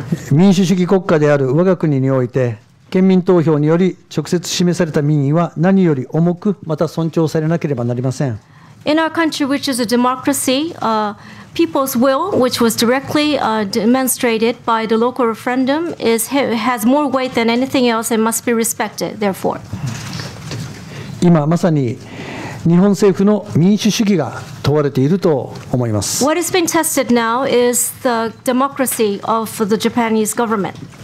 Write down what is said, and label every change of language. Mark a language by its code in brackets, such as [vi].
[ja] 民主主義国家である我が国において県民投票により直接示された民意は何より重くまた尊重されなければなりません。 [en] In our country, which is a democracy, people's will, which was directly demonstrated by the local referendum, has more weight than anything else and must be respected, therefore. [ja] 今まさに日本政府の民主主義が問われていると思います。 [en] What has been tested now is the democracy of the Japanese government.